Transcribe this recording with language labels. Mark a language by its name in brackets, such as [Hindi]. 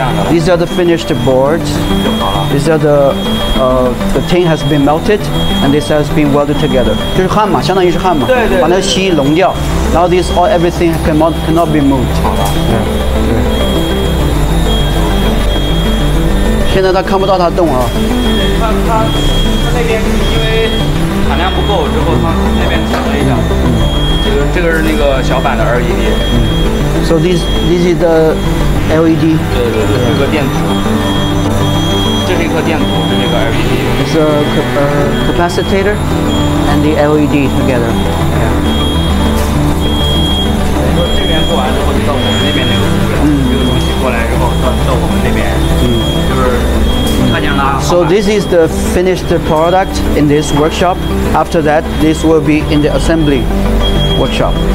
[English] These are the finished boards. These are the tin has been melted and this has been welded together. [Chinese] 就是焊嘛，相当于是焊嘛，把那锡熔掉。 [English] Now this all everything cannot be moved. [Chinese] 现在他看不到它动啊。它那边是因为产量不够，之后它那边停了一下。这个是那个小版的 LED。 [English] So this is the LED. [Chinese] 对对对，这个电阻，这是一颗电阻，这个 LED. [English] It's a capacitor and the LED together. [Chinese] 说这边做完之后，就到我们那边那个这个东西过来之后，到我们那边，就是。 [English] So this is the finished product in this workshop. After that, this will be in the assembly workshop.